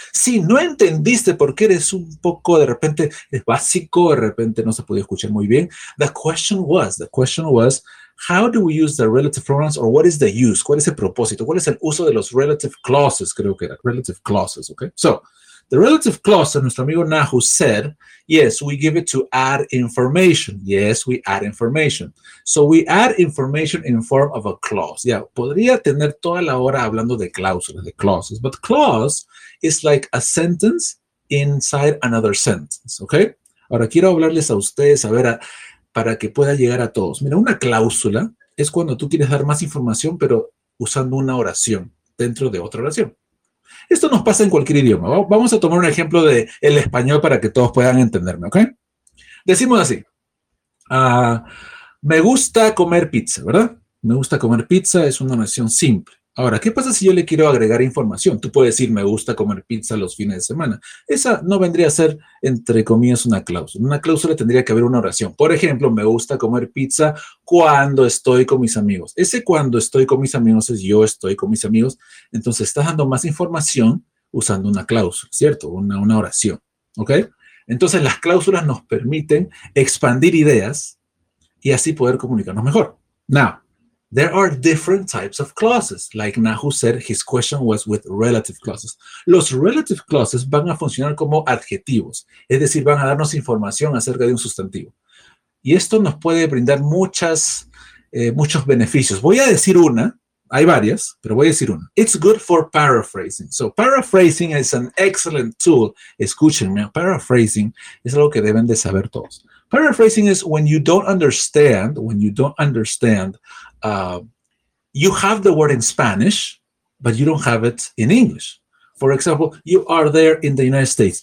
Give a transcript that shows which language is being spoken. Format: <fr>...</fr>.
<es>Si no entendiste por qué eres un poco, de repente, es básico, de repente no se podía escuchar muy bien.</es> <en>The question was, how do we use the relative pronouns or what is the use?</en> <es>¿Cuál es el propósito? ¿Cuál es el uso de los relative clauses? Creo que era</es> <en>relative clauses, okay? So the relative clause,</en> <es>nuestro amigo Nahu</es> <en>said, yes, we give it to add information. Yes, we add information. So we add information in form of a clause.</en> <es>Yeah, podría tener toda la hora hablando de cláusulas, de clauses.</es> <en>But clause is like a sentence inside another sentence, okay?</en> <es>Ahora quiero hablarles a ustedes, a ver, para que pueda llegar a todos. Mira, una cláusula es cuando tú quieres dar más información, pero usando una oración dentro de otra oración. Esto nos pasa en cualquier idioma. Vamos a tomar un ejemplo de el español para que todos puedan entenderme, ¿ok? Decimos así. Me gusta comer pizza, ¿verdad? Me gusta comer pizza, es una oración simple. Ahora, ¿qué pasa si yo le quiero agregar información? Tú puedes decir, me gusta comer pizza los fines de semana. Esa no vendría a ser, entre comillas, una cláusula. Una cláusula tendría que haber una oración. Por ejemplo, me gusta comer pizza cuando estoy con mis amigos. Ese cuando estoy con mis amigos es yo estoy con mis amigos. Entonces, estás dando más información usando una cláusula, ¿cierto? Una oración, ¿ok? Entonces, las cláusulas nos permiten expandir ideas y así poder comunicarnos mejor.</es> <en>Now, there are different types of clauses. Like Nahu said, his question was with relative clauses.</en> <es>Los relative clauses van a funcionar como adjetivos. Es decir, van a darnos información acerca de un sustantivo. Y esto nos puede brindar muchos beneficios. Voy a decir una. Hay varias, pero voy a decir una.</es> <en>It's good for paraphrasing. So paraphrasing is an excellent tool.</en> <es>Escúchenme. Paraphrasing es algo que deben de saber todos.</es> <en>Paraphrasing is when you don't understand, you have the word in Spanish, but you don't have it in English. For example, you are there in the United States.</en>